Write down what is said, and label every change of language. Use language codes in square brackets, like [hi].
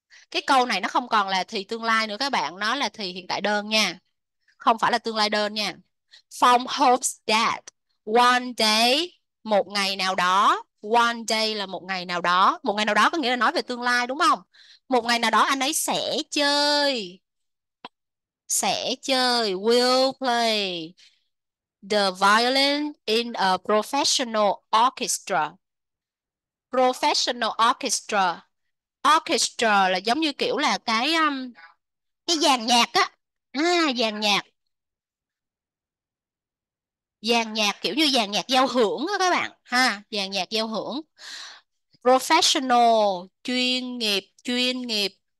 [vi] Cái câu này nó không còn là thì tương lai nữa các bạn, nó là thì hiện tại đơn nha. Không phải là tương lai đơn nha. [en] From hopes that one day, [vi] một ngày nào đó. One day là một ngày nào đó. Một ngày nào đó có nghĩa là nói về tương lai đúng không? Một ngày nào đó anh ấy sẽ chơi. Sẽ chơi. [en] Will play the violin in a professional orchestra. Professional orchestra. [vi] Orchestra là giống như kiểu là cái dàn nhạc á. Dàn nhạc. Dàn nhạc kiểu như dàn nhạc giao hưởng đó các bạn ha, dàn nhạc giao hưởng. Professional, chuyên nghiệp, chuyên nghiệp.